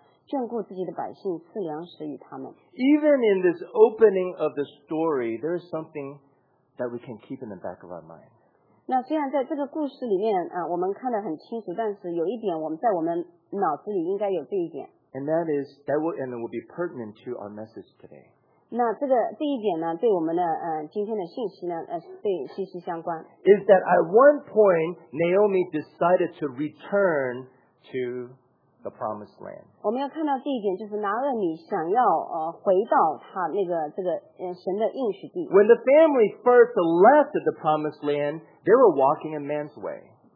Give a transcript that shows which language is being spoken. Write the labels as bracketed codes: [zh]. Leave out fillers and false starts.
[zh] 那第六节就讲到，拿俄米与两个儿父起身要从摩甲地归回，因为他在摩甲地听见耶和华眷顾自己的百姓，赐粮食与他们。 [en] Even in this opening of the story, there is something that we can keep in the back of our mind. [zh] 那虽然在这个故事里面，我们看得很清楚，但是有一点我们在我们脑子里应该有这一点。 [en] And that is that will and it will be pertinent to our message today. [zh] 那这个第一点呢，对我们的今天的信息呢，是息息相关。 [en] Is that at one point Naomi decided to return to the promised land. [zh] 我们要看到第一点，就是拿俄米想要回到他那个神的应许地。 [en] When the family first left the promised land, they were walking a man's way.